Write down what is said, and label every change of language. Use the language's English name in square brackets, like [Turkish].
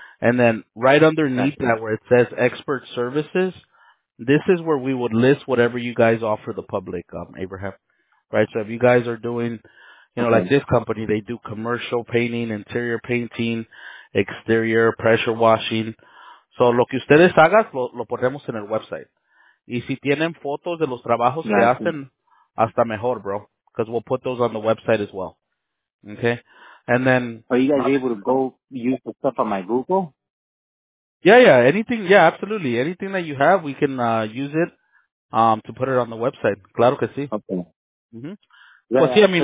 [English] And then right underneath that where it says Expert Services, this is where we would list whatever you guys offer the public, Abraham. Right? So if you guys are doing, you know, like this company, they do commercial painting, interior painting, exterior, pressure washing. [Spanish] So lo que ustedes hagan, lo ponemos en el website. Y si tienen fotos de los trabajos que hacen, hasta mejor, bro. [English] Because we'll put those on the website as well. Okay? And then... Are you guys able to go use the stuff on my Google? Yeah, yeah. Anything, yeah, absolutely. Anything that you have, we can use it to put it on the website. [Spanish] Claro que sí. [English] Okay. Mm-hmm. Yeah, well, see, I mean,